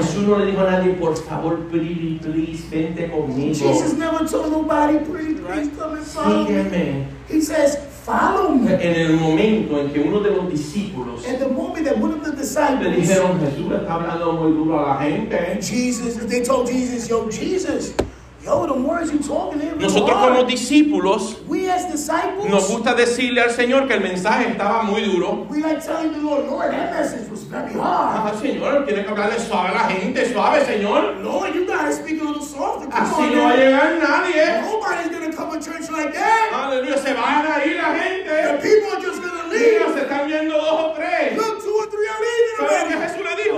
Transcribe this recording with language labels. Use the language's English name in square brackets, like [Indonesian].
[Spanish] Jesús no le dijo a nadie, por favor, [English] please, please, [Spanish] vente conmigo. [English] Jesus never told nobody, please, please, come and follow [Spanish] sígueme. [English] Me. He says, follow me. [Spanish] En el momento en que uno de los discípulos [English] at the moment that one of the disciples [Spanish] le dijeron, Jesús está hablando muy duro a la gente. [English] Jesus, they told Jesus, yo, Jesus. Yo, the words you're talking in, [Spanish] nosotros [English] are, [Spanish] como discípulos [English] we as disciples, [Spanish] nos gusta decirle al Señor que el mensaje estaba muy duro. [English] We like telling the Lord, Lord, that message was very hard. [Spanish] Ajá, Señor, tiene que hablarle suave a la gente, suave, Señor. [English] Lord, you gotta speak a little softer. Come [Spanish] así [English] on, [Spanish] no va a llegar nadie. [English] Nobody's gonna come to church like that. [Spanish] Aleluya, se van a ir la gente. [English] The people are just gonna leave. [Spanish] Mira, se están viendo dos o tres. [English] Look, two or three are leaving already. [Spanish] ¿Sabes lo que Jesús le dijo?